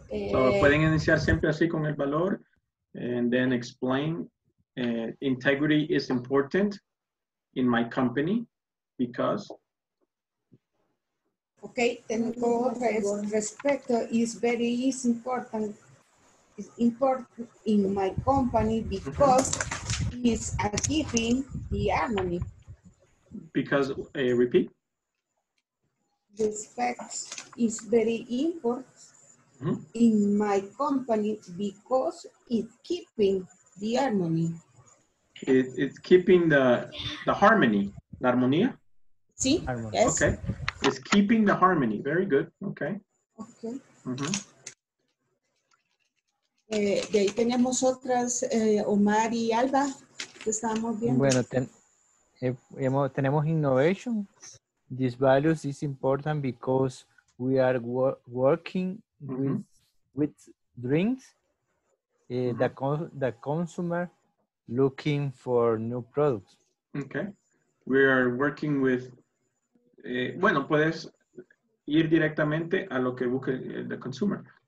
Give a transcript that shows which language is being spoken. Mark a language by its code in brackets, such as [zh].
[es] So pueden iniciar siempre así con el valor. [en] And then explain, integrity is important in my company because. Okay, [es] tengo respeto [en] is very is important. It's important in my company because mm-hmm. it's achieving the harmony. Because, repeat. Respect is very important. Mm-hmm. In my company because it's keeping the harmony. It's keeping the harmony. [es] La armonía? [en] Sí, harmony. Yes. Okay. It's keeping the harmony. Very good. Okay. Okay. Mm-hmm. [es] De ahí tenemos otras, Omar y Alba, que estábamos viendo. Bueno, tenemos innovation. [en] These values is important because we are working with drinks, the consumer looking for new products. Okay, we are working with. [es] Bueno, puedes ir directamente a lo que busca the consumer.